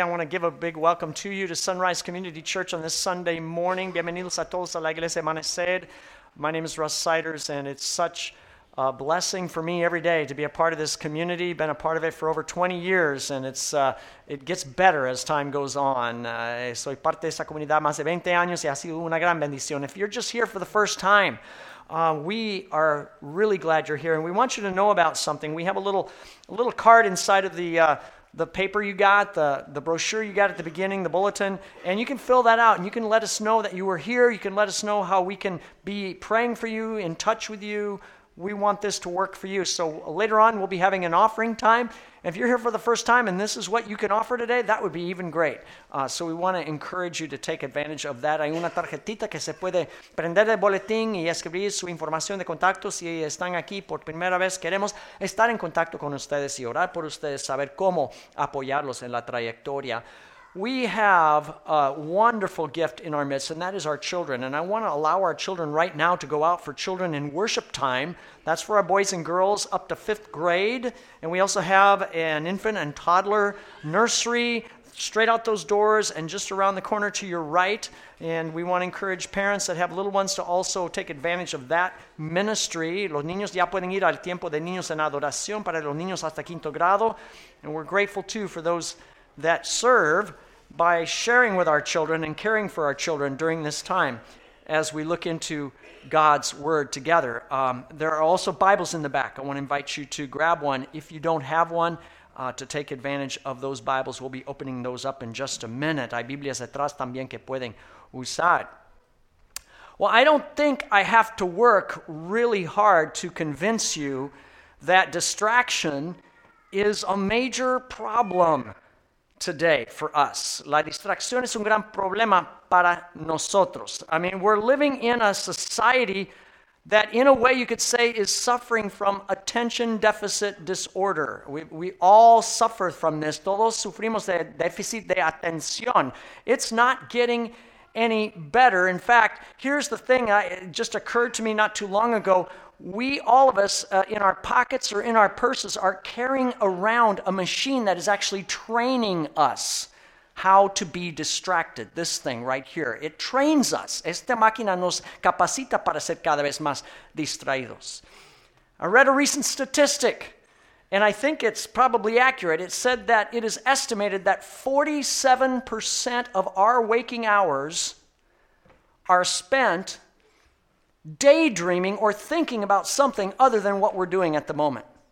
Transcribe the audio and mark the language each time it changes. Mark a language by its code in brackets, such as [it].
[en] I want to give a big welcome to you to Sunrise Community Church on this Sunday morning. [es] Bienvenidos a todos a la Iglesia Amanecer. [en] My name is Russ Siders, and it's such a blessing for me every day to be a part of this community. Been a part of it for over 20 years, and it gets better as time goes on. [es] Soy parte de esta comunidad más de 20 años, y ha sido una gran bendición. [en] If you're just here for the first time, we are really glad you're here, and we want you to know about something. We have a little card inside of the paper you got, the brochure you got at the beginning, the bulletin, and you can fill that out, and you can let us know that you were here. You can let us know how we can be praying for you, in touch with you. We want this to work for you. So later on, we'll be having an offering time. If you're here for the first time and this is what you can offer today, that would be even great. So we want to encourage you to take advantage of that. [es] Hay una tarjetita que se puede prender del boletín y escribir su información de contacto. Si están aquí por primera vez, queremos estar en contacto con ustedes y orar por ustedes, saber cómo apoyarlos en la trayectoria. [en] We have a wonderful gift in our midst, and that is our children. And I want to allow our children right now to go out for children in worship time. That's for our boys and girls up to fifth grade. And we also have an infant and toddler nursery straight out those doors and just around the corner to your right. And we want to encourage parents that have little ones to also take advantage of that ministry. [es] Los niños ya pueden ir al tiempo de niños en adoración para los niños hasta quinto grado. [en] And we're grateful, too, for those that serve by sharing with our children and caring for our children during this time as we look into God's Word together. There are also Bibles in the back. I want to invite you to grab one if you don't have one, to take advantage of those Bibles. We'll be opening those up in just a minute. [es] Hay Biblias atrás también que pueden usar. [en] Well, I don't think I have to work really hard to convince you that distraction is a major problem today for us. [es] La distracción es un gran problema para nosotros. [en] I mean, we're living in a society that, in a way, you could say is suffering from attention deficit disorder. We all suffer from this. [es] Todos sufrimos de déficit de atención. [en] It's not getting any better. In fact, here's the thing it just occurred to me not too long ago. We, all of us, in our pockets or in our purses, are carrying around a machine that is actually training us how to be distracted. This thing right here, it trains us. [es] Esta máquina nos capacita para ser cada vez más distraídos. [en] I read a recent statistic, and I think it's probably accurate. It said that it is estimated that 47% of our waking hours are spent daydreaming or thinking about something other than what we're doing at the moment.